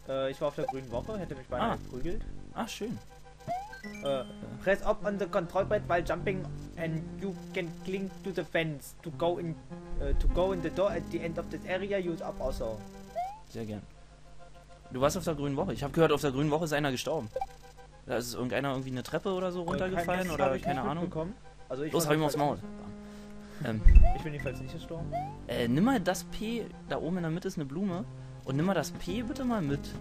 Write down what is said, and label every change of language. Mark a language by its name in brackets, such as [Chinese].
[German] Ich war auf der grünen Woche, hätte mich beinahe geprügelt. Ach, schön. [English] Press up on the control pad while jumping and you can cling to the fence to go in the door at the end of this area, use up also. [German] Sehr gern. Du warst auf der grünen Woche. Ich habe gehört, auf der grünen Woche ist einer gestorben. Da ist irgendeiner irgendwie eine Treppe oder so runtergefallen oder ich keine Ahnung. Also ich los, hab ihm aufs Maul. Ich bin jedenfalls nicht gestorben. Nimm mal das P, da oben in der Mitte ist eine Blume. Und nimm mal das P bitte mal mit.